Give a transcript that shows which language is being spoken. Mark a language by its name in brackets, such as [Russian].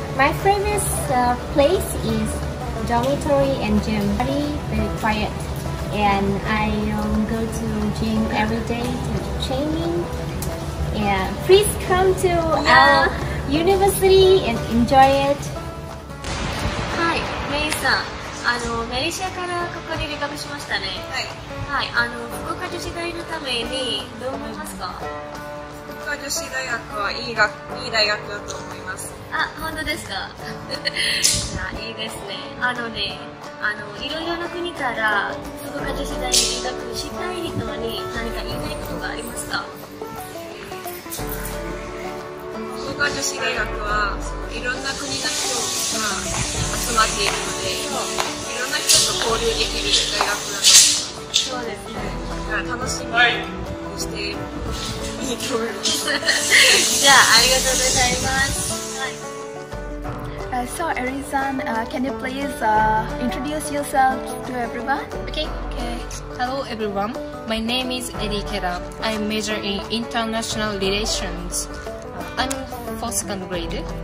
[English] My favorite place is dormitory and gym. Very, very quiet. And I go to gym every day to training. Yeah, please come to our university and enjoy it. Hi, Mei-san. [Japanese] メリシアからここに留学しましたね。はい。はい、福岡女子大のためにどう思いますか？福岡女子大学はいい大学だと思います。あ、本当ですか？あ、いいですね。あのね、いろいろな国から福岡女子大に留学したい人に何か言いたいことがありますか？福岡女子大学はいろんな国の人が集まっているので、いろんな人と交流できる大学なんです。そうですね。楽しみにしていいと思います。じゃあ、ありがとうございます。 [English] So, Eri-san, can you please introduce yourself to everyone? Okay. Hello, everyone. My name is Eri Ikeda. I major in international relations. I'm fourth grade.